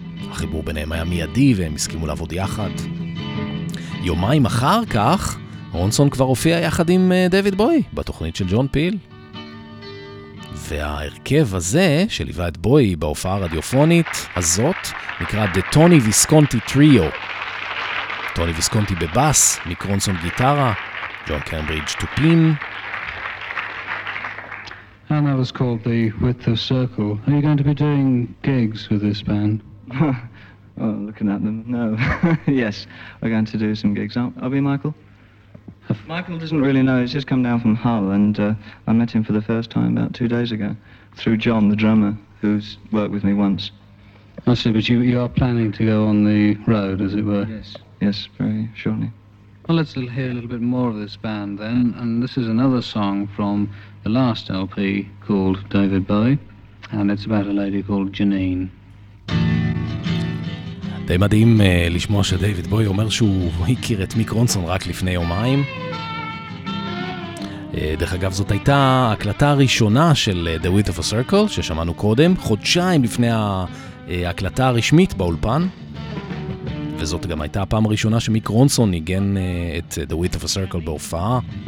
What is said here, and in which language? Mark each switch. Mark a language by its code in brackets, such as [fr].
[he] החיבור ביניהם היה מיידי והם הסכימו לעבוד יחד. יומיים אחר כך רונסון כבר הופיע יחד עם דויד בוי בתוכנית של ג'ון פיל, וההרכב הזה שליווה את בוי בהופעה הרדיופונית הזאת נקרא The Tony Visconti Trio. טוני ויסקונטי בבאס, מיק רונסון גיטרה, ג'ון קמבריץ' תופים. [en] And that was called the Width of Circle. Are you going to be doing gigs with this band? Oh, looking at them, no. Yes, we're going to do some gigs. I'll be Michael. Michael doesn't really know, he's just come down from Hull and I met him for the first time about 2 days ago through John, the drummer, who's worked with me once. I see, but you are planning to go on the road, as it were. Yes, very shortly. Well, let's hear a little bit more of this band then, and this is another song from the last LP called David Bowie, and it's about a lady called Janine. [he] די מדהים לשמוע שדייביד בוי אומר שהוא הכיר את מיק רונסון רק לפני יומיים. דרך אגב, זאת הייתה הקלטה הראשונה של The Width of a Circle ששמענו קודם, חודשיים לפני ההקלטה הרשמית באולפן, וזאת גם הייתה הפעם הראשונה שמיק רונסון ניגן את The Width of a Circle בהופעה.